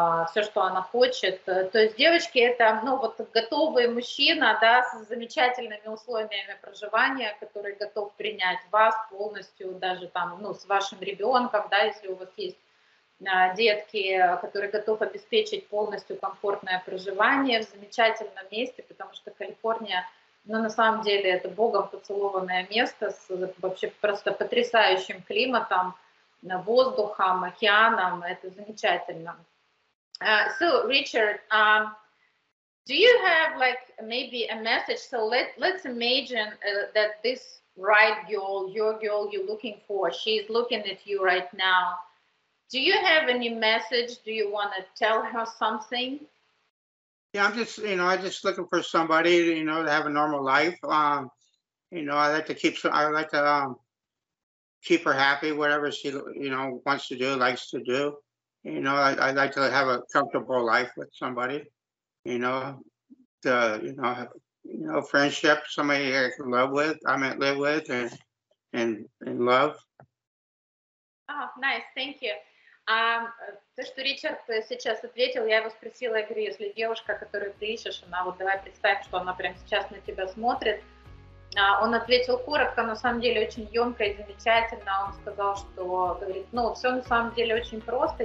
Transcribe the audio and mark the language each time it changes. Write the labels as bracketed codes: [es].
[ru] Все, что она хочет. То есть девочки, это, ну, вот готовый мужчина, да, с замечательными условиями проживания, который готов принять вас полностью, даже там, ну, с вашим ребенком, да, если у вас есть детки, который готов обеспечить полностью комфортное проживание в замечательном месте, потому что Калифорния, ну, на самом деле, это богом поцелованное место с вообще просто потрясающим климатом, воздухом, океаном, это замечательно. [en] So Richard, do you have like maybe a message? So let's imagine that this right girl, your girl you're looking for, she's looking at you right now. Do you have any message? Do you want to tell her something? Yeah, I'm just, you know, I'm just looking for somebody, you know, to have a normal life. You know, I like to keep some, I like to keep her happy, whatever she, you know, wants to do, likes to do. You know, I'd like to have a comfortable life with somebody, you know, to, you know, friendship, somebody I can live with, I might live with and love. Oh, nice. Thank you. [ru] То, что Ричард сейчас ответил, я его спросила, я говорю, если девушка, которую ты ищешь, она вот давай представим, что она прямо сейчас на тебя смотрит. Он ответил коротко, на самом деле очень емко и замечательно. Он сказал, что говорит, ну, все на самом деле очень просто.